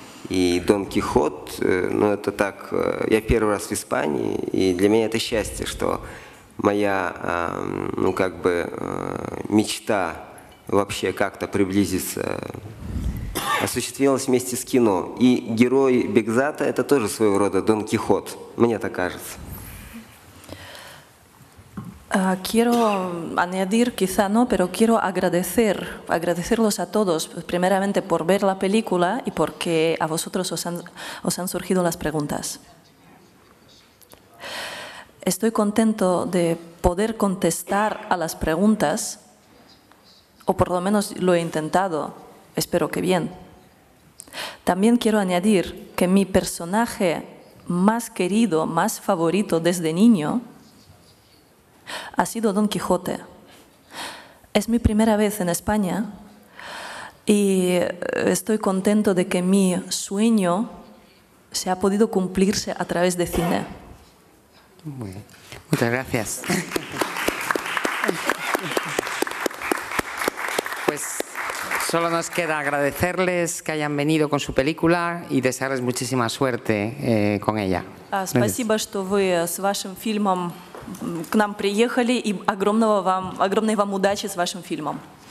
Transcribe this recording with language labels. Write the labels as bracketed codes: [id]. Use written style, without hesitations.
[ru] И Дон Кихот, ну это так, я первый раз в Испании, и для меня это счастье, что моя, ну как бы, мечта вообще как-то приблизиться осуществилась вместе с кино. И герой Бекзата – это тоже своего рода Дон Кихот, мне так кажется. [es] Quiero añadir, quizá no, pero quiero agradecerlos a todos, primeramente por ver la película y porque a vosotros os han surgido las preguntas. Estoy contento de poder contestar a las preguntas, o por lo menos lo he intentado, espero que bien. También quiero añadir que mi personaje más querido, más favorito desde niño, ha sido Don Quijote. Es mi primera vez en España y estoy contento de que mi sueño se ha podido cumplirse a través de cine. Muy bien. Muchas gracias. Pues solo nos queda agradecerles que hayan venido con su película y desearles muchísima suerte con ella. Gracias por estar con su film. [ru] К нам приехали и огромной вам удачи с вашим фильмом.